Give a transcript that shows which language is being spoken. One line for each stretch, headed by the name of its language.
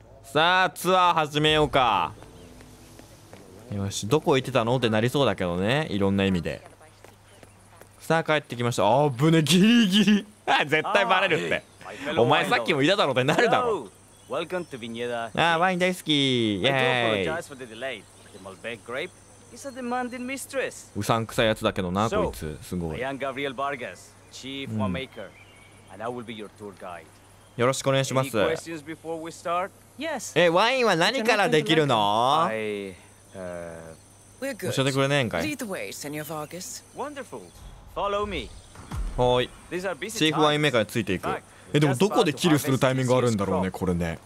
Japanese: さあツアー始めようか。よし、どこ行ってたのってなりそうだけどね、いろんな意味で。さあ帰ってきました。あぶね、ギリギリ。絶対バレるって。お前さっきもいただろうってなるだろ。
English: Welcome to Vigneda.
Japanese: Ah, wine 大好き。
English: Yay. I do apologize for the delay. The Malbec grape is a demanding mistress.
Japanese: うさんくさいやつだけどな、こいつ。すごい。
English: I am Gabriel Vargas, chief winemaker, and I will be your tour guide.
Japanese: よろしくお願いします。
English: Any questions before we start? Yes.
Japanese: ワインは何からできるの？
English: We're good.
Japanese: 教えてくれねえんかい。
English: Lead the way, Senor Vargas. Wonderful. Follow me.
Japanese: はい。
English: These are busy times.
Japanese: チーフワインメーカーについていく。でもどこでキルするタイミングあるんだろうね、これね。